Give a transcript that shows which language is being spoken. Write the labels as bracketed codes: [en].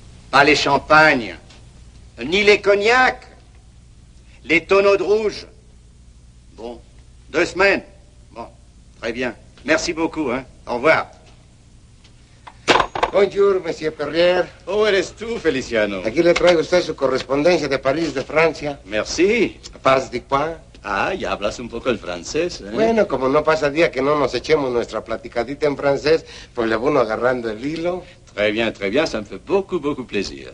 [fr] Pas les champagnes, ni les cognacs, les tonneaux de rouge. Bon, deux semaines. Bon, très bien. Merci beaucoup, hein. Au revoir. Bonjour, monsieur Perrier. Où eres-tu, Feliciano? [es] Aquí le traigo usted su correspondencia de París, de Francia. [fr] Merci. Paz de quoi? [es] Ah, ya hablas un poco el francés, ¿eh? Bueno, como no pasa día que no nos echemos nuestra platicadita en francés, pues le voy agarrando el hilo. [fr] Très bien, ça me fait beaucoup, beaucoup plaisir.